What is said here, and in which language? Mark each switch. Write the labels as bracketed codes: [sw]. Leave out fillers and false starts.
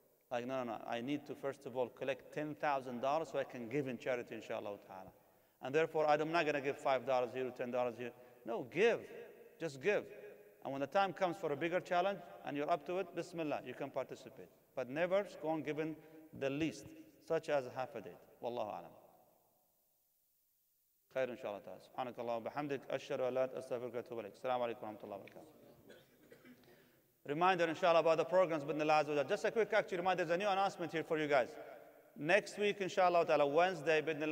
[en] Like, no, I need to first of all collect $10,000 so I can give in charity, inshallah ta'ala. And therefore, I'm not going to give $5 here, $10 here. No, give. Just give. And when the time comes for a bigger challenge and you're up to it, bismillah, you can participate. But never go on giving the least, such as half a date. Wallahu alam. [ar] خير إن شاء الله تعالى. سبحانك اللهم وبحمدك أشهد أن لا إله إلا أنت أستغفرك وأتوب إليك. السلام عليكم ورحمة الله وبركاته. [en] Reminder, inshallah, about the programs with Nilaz. Just a quick actually reminder, there's a new announcement here for you guys. Next week, inshallah, Wednesday, with Nilaz.